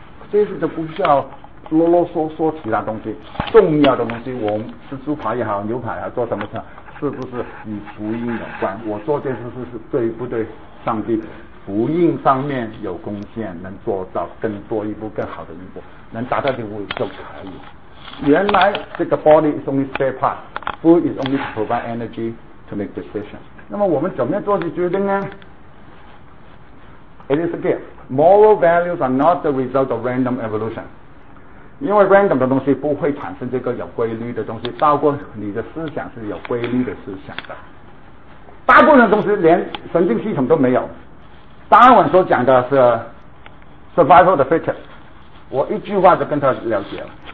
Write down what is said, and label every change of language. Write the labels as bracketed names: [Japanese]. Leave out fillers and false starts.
[Chinese] 这些就不需要啰啰嗦嗦其他东西，重要的东西，我们吃猪排也好，牛排啊，做什么菜，是不是与福音有关？我做这些事是对不对？上帝福音上面有贡献，能做到更多一步，更好的一步，能达到这步就可以。 [English] 原来这个 body is only spare part, food is only to provide energy to make decision. [Chinese] 那么我们怎么样做去决定呢？ [English] It is a gift. Moral values are not the result of random evolution. [Chinese] 因为 random 的东西不会产生这个有规律的东西，包括你的思想是有规律的思想的。大部分的东西连神经系统都没有。达尔文所讲的是 survival of the fittest, 我一句话就跟他了解了。